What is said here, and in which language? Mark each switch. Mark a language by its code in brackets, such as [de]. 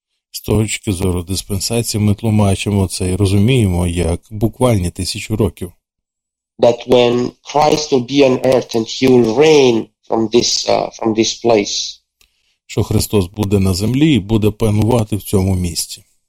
[uk] З точки зору диспенсації ми тлумачимо це і розуміємо як буквальні тисячу років. [en] That when Christ will be on earth and he will reign from this place. [uk] Що Христос буде на землі і буде панувати в цьому місці.